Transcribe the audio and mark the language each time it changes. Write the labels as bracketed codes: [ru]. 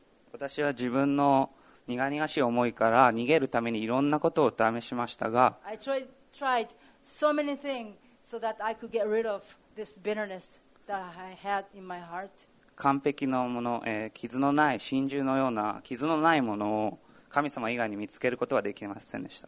[ja] 私は自分の苦々しい思いから逃げるためにいろんなことを試しましたが、 [en] I tried so many things so that I could get rid of this bitterness that I had in my heart. [ja] 完璧のもの、傷のない真珠のような傷のないものを神様以外に見つけることはできませんでした。